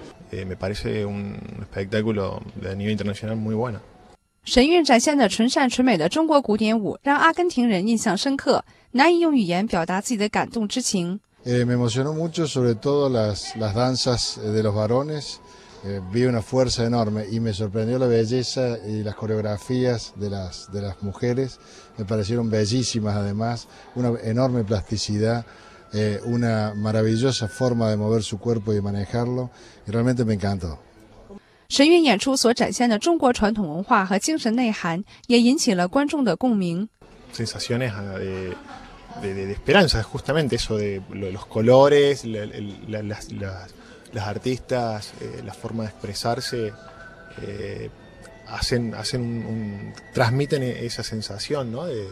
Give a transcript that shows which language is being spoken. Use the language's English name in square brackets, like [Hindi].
[Spanish] Me parece un espectáculo de nivel internacional muy bueno. [Chinese] 神韵展现的纯善纯美的中国古典舞让阿根廷人印象深刻，难以用语言表达自己的感动之情。 [Spanish] Me emocionó mucho, sobre todo las danzas de los varones. Vi una fuerza enorme y me sorprendió la belleza y las coreografías de las mujeres. Me parecieron bellísimas además, una enorme plasticidad, una maravillosa forma de mover su cuerpo y manejarlo. Y realmente me encantó. [Chinese] 神韵演出所展现的中国传统文化和精神内涵也引起了观众的共鸣。 [Spanish] Sensaciones de esperanza, justamente eso de los colores, las artistas, la forma de expresarse, hacen un transmiten esa sensación, ¿no?